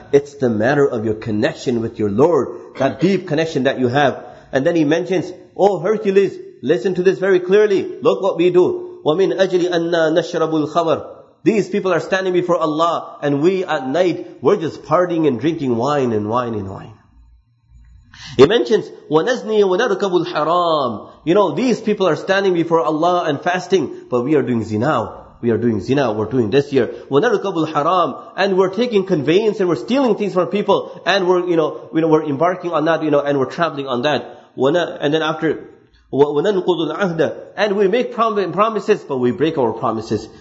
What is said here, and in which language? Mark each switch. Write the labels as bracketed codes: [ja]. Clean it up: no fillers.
[en] It's the matter of your connection with your Lord. That deep connection that you have. And then he mentions, oh Hercules, listen to this very clearly. Look what we do. [ar] وَمِنْ أَجْلِ أَنَّا نَشْرَبُ الْخَمَرِ. [en] These people are standing before Allah, and we at night, we're just partying and drinking wine and wine and wine. He mentions, [ar] وَنَزْنِي وَنَرْكَبُ الْحَرَامِ. [en] You know, these people are standing before Allah and fasting, but we are doing zina. We are doing zina, we're doing this year. [ar] وَنَرْكَبُ الْحَرَامِ. [en] And we're taking conveyance and we're stealing things from people, and we're embarking on that, you know, and we're traveling on that. And then after, [ar] وَنَنْقُضُ الْعَهْدَ. [en] And we make promises, but we break our promises.